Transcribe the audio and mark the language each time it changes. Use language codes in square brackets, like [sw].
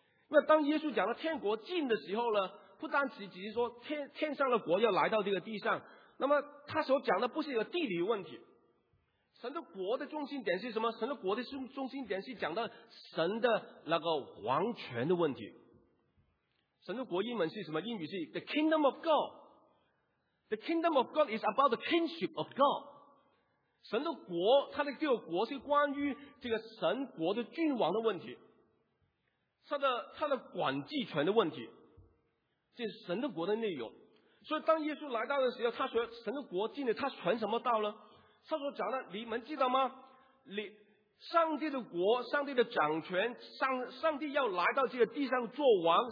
[zh] 因为当耶稣讲到天国近的时候呢，不单只是说 天上的国要来到这个地上，那么他所讲的不是一个地理问题。神的国的中心点是什么？神的国的中心点是讲到神的那个王权的问题。神的国英文是什么？英语是 [en] The Kingdom of God。 The Kingdom of God is about the kingship of God。 [zh] 神的国，他的这个国是关于这个神国的君王的问题，他的管制权的问题，这是神的国的内容。所以当耶稣来到的时候，他说神的国进来，他传什么道呢？他说讲了，你们知道吗？上帝的国，上帝的掌权，上帝要来到这个地上做王。